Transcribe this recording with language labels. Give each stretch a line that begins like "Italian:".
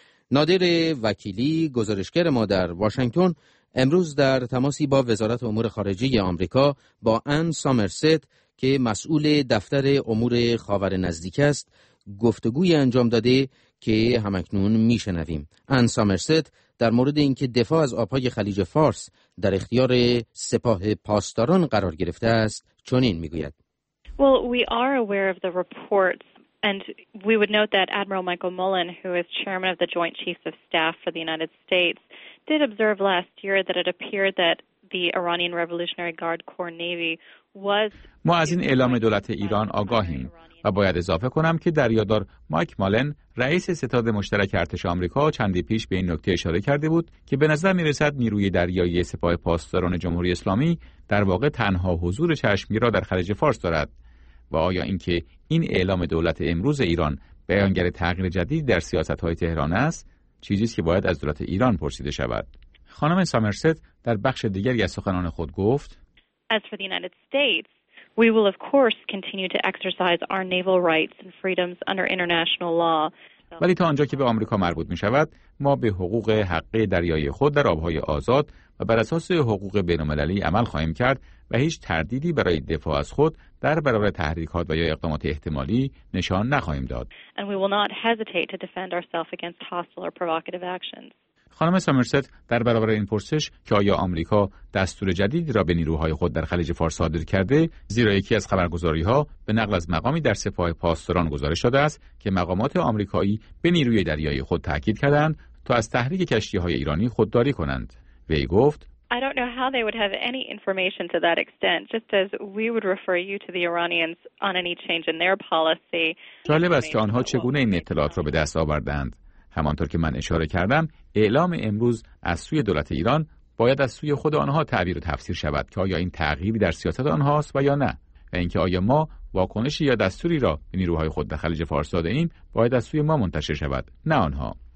Persian: نادر وکیلی، گزارشگر ما در واشنگتن، امروز در تماسی با وزارت امور خارجه آمریکا با آن سامرست که مسئول دفتر امور خاور نزدیک است گفتگوی انجام داده که همکنون می شنویم. آن سامرست در مورد اینکه دفاع از آبهای خلیج فارس در اختیار سپاه پاسداران قرار گرفته است چنین می گوید.
English: Well, we are aware of the reports and we would note that Admiral Michael Mullen, who is chairman of the Joint Chiefs of Staff for the United States, did observe last year that it appeared that the Iranian Revolutionary Guard Corps Navy was.
Persian: ما از این اعلام دولت ایران آگاهیم و باید اضافه کنم که دریادار مایک مالن، رئیس ستاد مشترک ارتش آمریکا، چندی پیش به این نکته اشاره کرده بود که به نظر میرسد نیروی دریایی سپاه پاسداران جمهوری اسلامی در واقع تنها حضور چشمگیر را در خلیج فارس دارد. و آیا اینکه این اعلام دولت امروز ایران بیانگر تغییر جدید در سیاست‌های تهران است، چیزی است که باید از دولت ایران پرسیده شود. خانم سامرست در بخش دیگری از سخنان خود گفت:
English: As for the United States, we will of course continue to exercise our naval rights and freedoms under international law.
Persian: ولی تا آنجا که به آمریکا مربوط می‌شود، ما به حقوق حقه دریایی خود در آب‌های آزاد و بر اساس حقوق بین‌المللی عمل خواهیم کرد و هیچ تردیدی برای دفاع از خود در برابر تحریکات و یا اقدامات احتمالی نشان نخواهیم داد.
English: And we will not hesitate to defend ourselves against hostile or provocative actions.
Persian: خانم سامرست در برابر این پرسش که آیا آمریکا دستور جدیدی را به نیروهای خود در خلیج فارس صادر کرده، زیرا یکی از خبرگزاری‌ها به نقل از مقامی در سپاه پاسداران گزارش داده است که مقامات آمریکایی به نیروی دریایی خود تاکید کردند تا از تحریک کشتی‌های ایرانی خودداری کنند. وی گفت:
English: I don't know how they would have any information to that extent, just as we would refer you to the Iranians on any change in their policy.
Persian: جالب است که آنها چگونه این اطلاعات را به دست آوردند. همانطور که من اشاره کردم، اعلام امروز از سوی دولت ایران باید از سوی خود آنها تعبیر و تفسیر شود که آیا این تغییری در سیاست آنهاست و یا نه، و اینکه آیا ما واکنشی یا دستوری را به نیروهای خود در خلیج فارس داده ایم باید از سوی ما منتشر شود، نه آنها.